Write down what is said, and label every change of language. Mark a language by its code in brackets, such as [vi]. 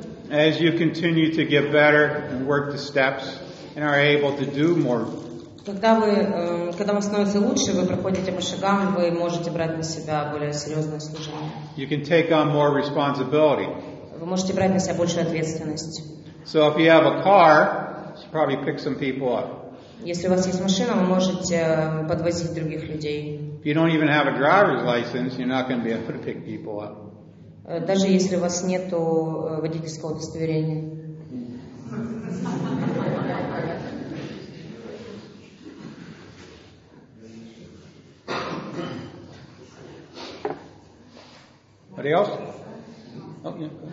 [en] As you continue to get better and work the steps and are able to do more. [ru] Когда вам становится лучше, вы проходите по шагам, вы можете брать на себя более серьезное служение. [en] You can take on more responsibility. [ru] Вы можете брать на себя большую ответственность. [en] So if you have a car, you should probably pick some people up. [ru] Если у вас есть машина, вы можете подвозить других людей. [en] If you don't even have a driver's license, you're not going to be able to pick people up. [ru] Даже если у вас нету водительского удостоверения. Кто еще?